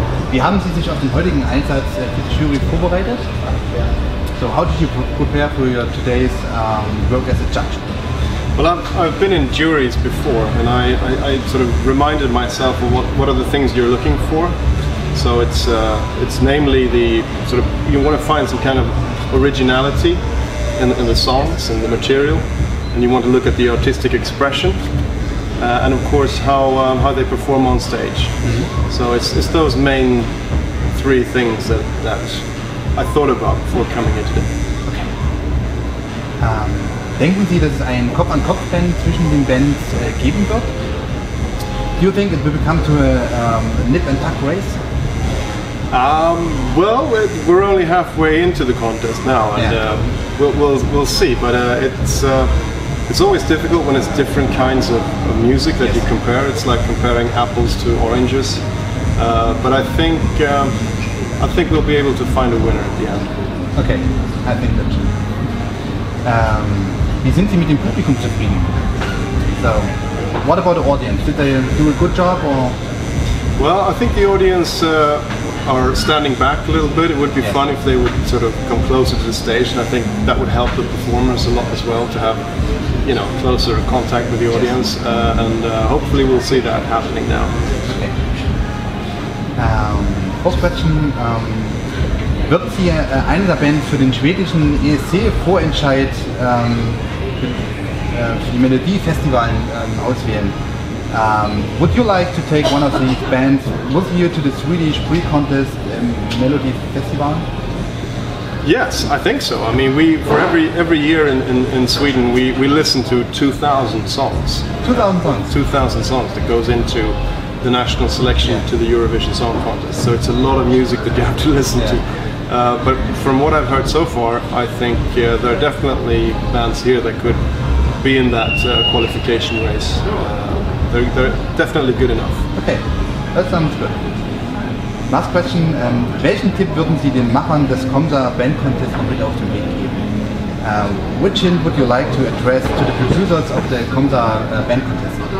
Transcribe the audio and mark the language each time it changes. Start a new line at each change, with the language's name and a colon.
German: Wie haben Sie sich auf den heutigen Einsatz für die Jury vorbereitet?
English: So, how did you prepare for your today's work as a judge? Well, I've been in juries before, and I sort of reminded myself of what are the things you're looking for. So it's namely the sort of, you want to find some kind of originality in the songs and the material, and you want to look at the artistic expression, and of course how they perform on stage. Mm-hmm. So it's those main three things that I thought about before coming here today. Okay.
German: Denken Sie, dass es ein Kopf-an-Kopf-Rennen zwischen den Bands geben wird?
English: Do you think it will come to a nip-and-tuck race? Well, we're only halfway into the contest now, and we'll see. But it's always difficult when it's different kinds of music that you compare. It's like comparing apples to oranges. But I think we'll be able to find a winner at the end. Okay, I think that.
German: Wie sind Sie mit dem Publikum zufrieden?
English: So, what about the audience? Did they do a good job or? Well, I think the audience are standing back a little bit. It would be fun if they would sort of come closer to the stage, and I think that would help the performers a lot as well to have, you know, closer contact with the audience. Hopefully, we'll see that happening now. Okay. First question:
German: Wird Sie eine der Bands für den schwedischen ESC-Vorentscheid für die Melodiefestivalen auswählen?
English: Would you like to take one of these bands with you to the Swedish pre-contest Melody Festival? Yes, I think so. I mean, for every year in Sweden, we listen to 2,000 songs. 2,000 songs? 2,000 songs that goes into the national selection to the Eurovision Song Contest. So it's a lot of music that you have to listen to. But from what I've heard so far, I think there are definitely bands here that could be in that qualification race. They're definitely good enough. Okay, that sounds good. Last question.
German: Welchen Tipp würden Sie den Machern des KOMSA Bandcontest mit auf den Weg geben?
English: Which hint would you like to address to the producers of the KOMSA Bandcontest?